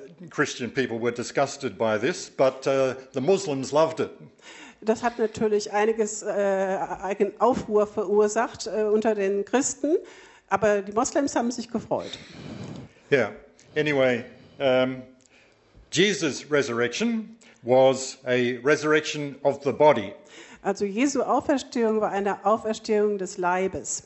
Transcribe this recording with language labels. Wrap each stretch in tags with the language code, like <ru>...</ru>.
<en>Christian people were disgusted by this, but the Muslims loved it.</en> <de>Das hat natürlich einiges einen Aufruhr verursacht unter den Christen, aber die Moslems haben sich gefreut.</de> <en>Yeah. Anyway. Jesus' resurrection was a resurrection of the body.</en> <de>Also Jesu Auferstehung war eine Auferstehung des Leibes.</de>